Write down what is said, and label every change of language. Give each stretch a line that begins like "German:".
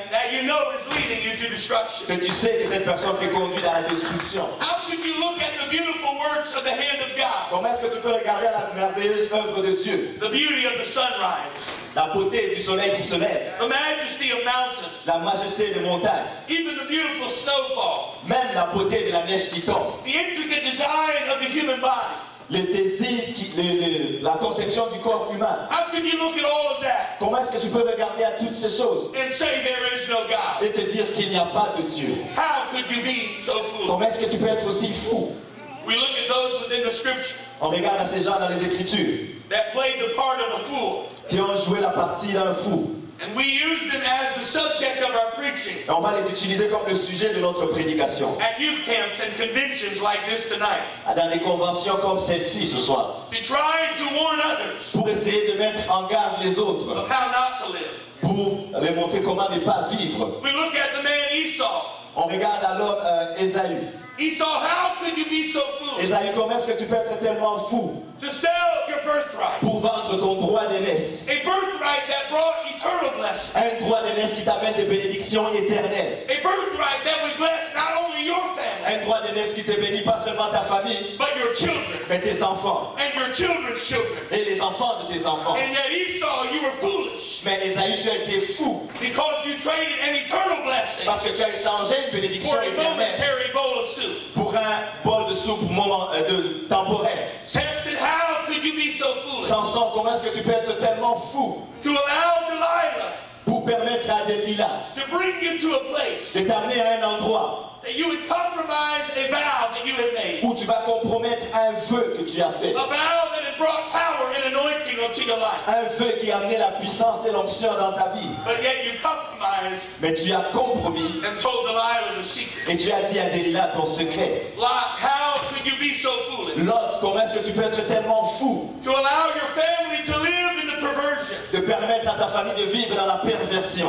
English: That you know is leading you to destruction.
French: Que tu sais que cette personne te conduit à la destruction.
English: How could you look at the beautiful works of the hand of God?
French: Comment est-ce que tu peux regarder la merveilleuse œuvre de Dieu?
English: The beauty of the sunrise.
French: La beauté du soleil qui se lève.
English: The majesty of mountains.
French: La majesté des montagnes.
English: Even the beautiful snowfall.
French: Même la beauté de la neige qui tombe.
English: The intricate design of the human body.
French: Le désir, la conception du corps humain.
English: How can you look at all of that?
French: Comment est-ce que tu peux regarder à toutes ces choses?
English: And say there is no God.
French: Et te dire qu'il n'y a pas de Dieu.
English: How could you be so foolish?
French: Comment est-ce que tu peux être aussi fou?
English: We look at those within the scripture.
French: On regarde à ces gens dans les Écritures.
English: That played the part of a fool.
French: Qui ont joué la partie d'un fou.
English: And we use them as the subject of our preaching.
French: Et on va les utiliser comme le sujet de notre prédication.
English: At youth camps and conventions like this tonight.
French: Dans des conventions comme celle-ci ce soir.
English: To try to warn others.
French: Pour essayer de mettre en garde les autres.
English: Of how not to live.
French: Pour leur montrer comment ne pas vivre.
English: We look at the man Esau.
French: On regarde alors Esaü.
English: Esau, how could you be so foolish?
French: Esaü, comment est-ce que tu peux être tellement fou?
English: To sell your birthright.
French: Pour vendre ton droit d'aînesse.
English: A birthright that brought eternal blessings.
French: Un droit d'aînesse qui t'amène des bénédictions éternelles.
English: A birthright that would bless not only your family.
French: un droit de naissance qui te bénit pas seulement ta famille,
English: but your children,
French: mais tes enfants,
English: and your children's children,
French: et les enfants de tes enfants.
English: And yet Esau, you were foolish,
French: mais Esaïe, tu as été fou,
English: because you traded an eternal blessing,
French: parce que tu as échangé une bénédiction
English: éternelle bowl of soup,
French: pour un bol de soupe temporaire.
English: Samson, how could you be so foolish?
French: Samson, comment est-ce que tu peux être tellement fou?
English: To allow Delilah,
French: pour permettre à Delilah,
English: to bring you to a place,
French: de t'amener à un endroit,
English: that you would compromise a vow that you had made,
French: où tu vas compromettre un vœu que tu as fait,
English: a vow that had brought power and anointing unto your life,
French: un vœu qui a amené la puissance et l'onction dans ta vie,
English: but yet you compromised,
French: mais tu as compromis,
English: and told Delilah the secret,
French: et tu as dit à Delilah ton secret.
English: Lot, how could you be so foolish?
French: Lot, comment est-ce que tu peux être tellement fou?
English: To allow your family to live in the perversion,
French: de permettre à ta famille de vivre dans la perversion,